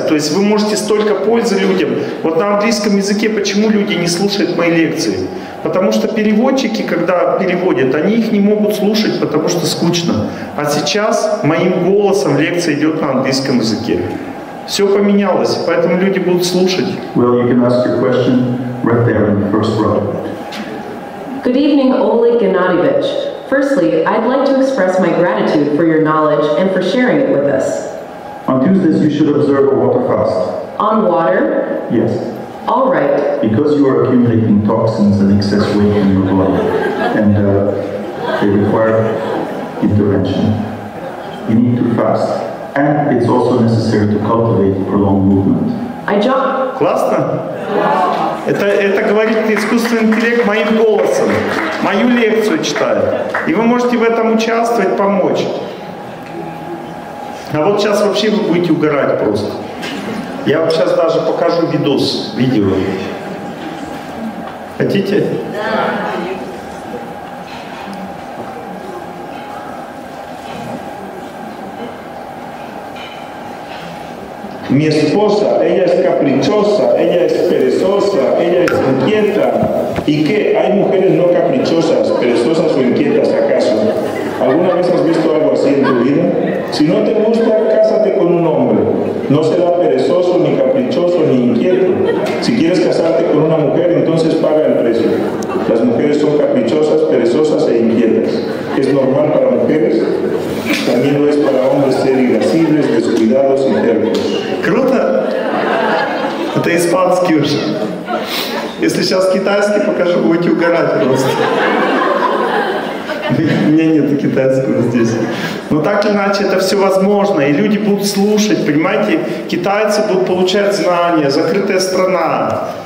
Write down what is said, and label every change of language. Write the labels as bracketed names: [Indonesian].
[Russian] То есть вы можете столько пользы людям. Вот на английском языке почему люди не слушают мои лекции? Потому что переводчики, когда переводят, они их не могут слушать, потому что скучно. А сейчас моим голосом лекция идет на английском языке. Все поменялось, поэтому люди будут слушать. [English] Well, you can ask your question right there in the first row. Good evening, Oleg Gennadievich. Firstly, I'd like to express my gratitude for your knowledge and for sharing it with us. On Tuesdays, you should observe a water fast. On water? Yes. All right. Because you are accumulating toxins and excess weight in your body, and they require intervention. You need to fast. And it's also necessary to cultivate prolonged movement. [Russian] Классно? Это говорит искусственный интеллект моим голосом. Мою лекцию читает. И вы можете в этом участвовать, помочь. А вот сейчас вообще вы будете угорать просто. Я вам сейчас даже покажу видос, видео. Хотите? [Spanish] Mi esposa, ella es caprichosa, ella es perezosa, ella es inquieta. ¿Y qué? ¿Hay mujeres no caprichosas, perezosas o inquietas acaso? ¿Alguna vez has visto algo así en tu vida? Si no te gusta, cásate con un hombre. No será perezoso, ni caprichoso, ni inquieto. Si quieres casarte con una mujer, entonces paga el precio. Las mujeres son caprichosas, perezosas e inquietas. ¿Es normal para mujeres? También lo es para hombres ser irascibles, descuidados y tercos. [Russian] Круто? Это испанский уже. Если сейчас китайский покажу, будете угорать просто. У меня нет китайского здесь. Но так или иначе, это все возможно. И люди будут слушать, понимаете? Китайцы будут получать знания. Закрытая страна.